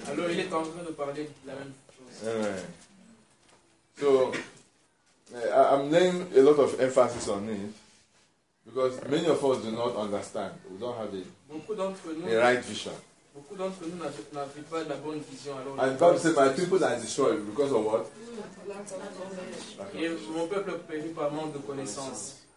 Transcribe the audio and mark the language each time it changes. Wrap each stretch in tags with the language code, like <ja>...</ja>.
<fr>Alors il est en train de parler de la même chose.</fr> <en>Amen. So I'm laying a lot of emphasis on it because many of us do not understand. We don't have the right vision.</en> <fr>Beaucoup d'entre nous n'avaient pas la bonne vision. Alors,</fr> <en>and God said, my people are destroyed because of what?</en> <fr>Et mon peuple périt par manque de connaissances.</fr>